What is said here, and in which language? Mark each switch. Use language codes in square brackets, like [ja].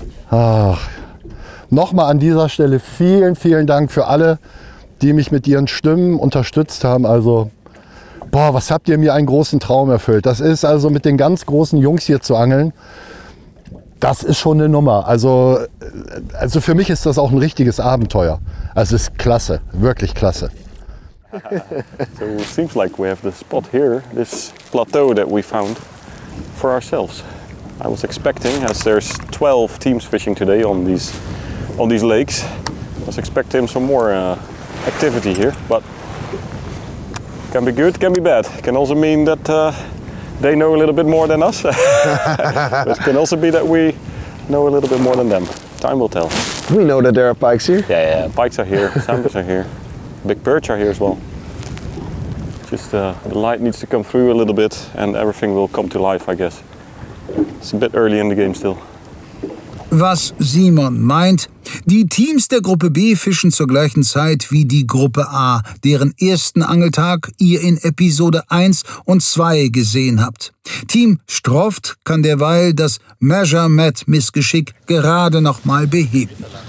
[de] Ach, nochmal an dieser Stelle vielen, vielen Dank für alle, die mich mit ihren Stimmen unterstützt haben. Also, boah, was habt ihr mir einen großen Traum erfüllt. Das ist also mit den ganz großen Jungs hier zu angeln, das ist schon eine Nummer. Also für mich ist das auch ein richtiges Abenteuer. Also es ist klasse, wirklich klasse. [en] So it seems like we have the spot here, this plateau that we found for ourselves. I was expecting, as there's 12 teams fishing today on these lakes, I was expecting some more activity here, but can be good, can be bad. Can also mean that they know a little bit more than us. It can also be that we know a little bit more than them. Time will tell. We know that there are pikes here. Yeah, pikes are here, sambas are here. Big perch are here as well. Just the light needs to come through a little bit and everything will come to life, I guess. It's a bit early in the game still. [de] Was Simon meint, die Teams der Gruppe B fischen zur gleichen Zeit wie die Gruppe A, deren ersten Angeltag ihr in Episode 1 und 2 gesehen habt. Team Stroft kann derweil das Measure-Mat-Missgeschick gerade noch mal beheben.